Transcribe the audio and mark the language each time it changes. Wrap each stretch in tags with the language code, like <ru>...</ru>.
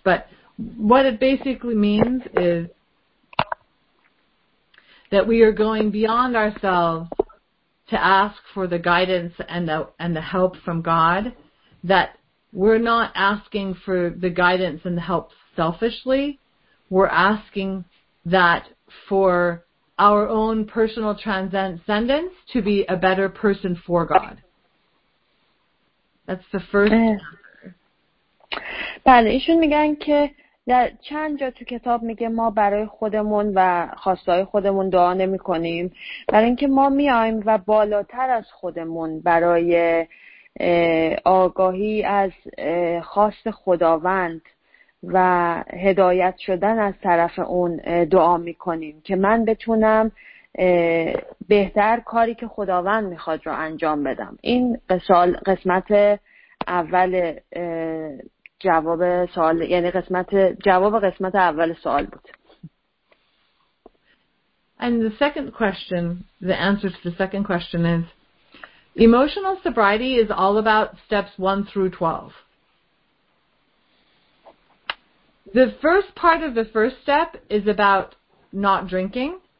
<en>But what it basically means is that we are going beyond ourselves to ask for the guidance and the help from God, that we're not asking for the guidance and the help selfishly. We're asking that for our own personal transcendence to be a better person for God. That's the first.</en> <fa>بله، ایشون میگن که در چند جا تو کتاب میگه ما برای خودمون و خواستهای خودمون دعا نمی کنیم، برای اینکه ما میایم و بالاتر از خودمون برای آگاهی از خواست خداوند و هدایت شدن از طرف اون دعا می کنیم که من بتونم بهتر کاری که خداوند می خواد رو انجام بدم. این قسمت اول جواب سوال، یعنی قسمت اول سوال بود.</fa> <en>And the second question, the answer to the second question is emotional sobriety is all about steps 1 through 12. The first part of the first step is about not drinking.</en>